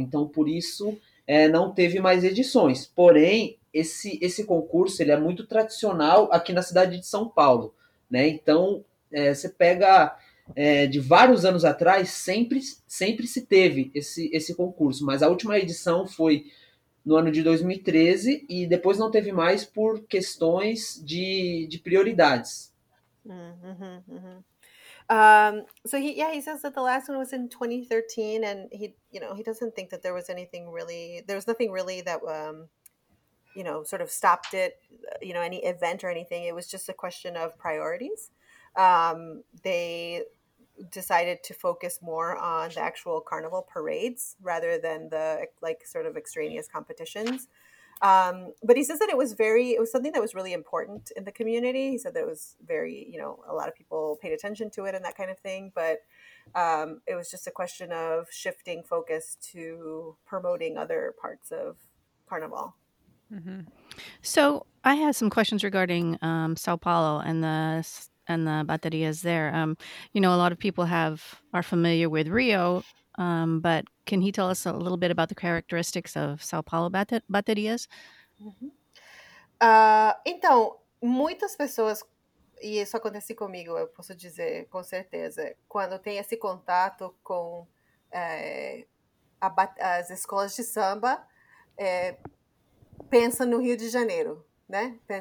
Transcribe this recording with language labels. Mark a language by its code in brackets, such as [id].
[pt] Então, por isso, não teve mais edições. Porém, esse concurso ele é muito tradicional aqui na cidade de São Paulo, né? Então, você pega... de vários anos atrás, sempre se teve esse concurso, mas a última edição foi no ano de 2013 e depois não teve mais por questões de prioridades. [en] So he says that the last one was in 2013 and he doesn't think that there was nothing really that sort of stopped it, any event or anything. It was just a question of priorities. They decided to focus more on the actual carnival parades rather than the sort of extraneous competitions. But he says that it was something that was really important in the community. He said that it was very, a lot of people paid attention to it and that kind of thing. But it was just a question of shifting focus to promoting other parts of carnival. Mm-hmm. So I have some questions regarding Sao Paulo and the baterias there. A lot of people are familiar with Rio, but can he tell us a little bit about the characteristics of Sao Paulo baterias? [pt] Então, muitas pessoas, e isso acontece comigo, eu posso dizer com certeza, quando tem esse contato com as escolas de samba, pensa no Rio de Janeiro, né?